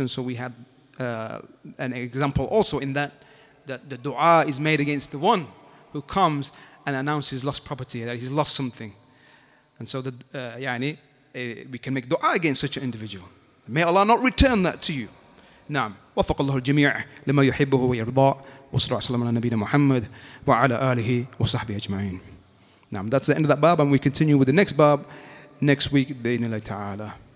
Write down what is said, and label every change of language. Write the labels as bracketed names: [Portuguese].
[English] And so we had an example also in that the dua is made against the one who comes and announces lost property, that he's lost something. And so we can make dua against such an individual. May Allah not return that to you. [Arabic] Naam. وفق الله الجميع لما يحبه ويرضى وصلى الله وسلم على نبينا محمد وعلى آله وصحبه أجمعين. Naam. [English] That's the end of that bab, and we continue with the next bab next week [Arabic] بإذن الله تعالى.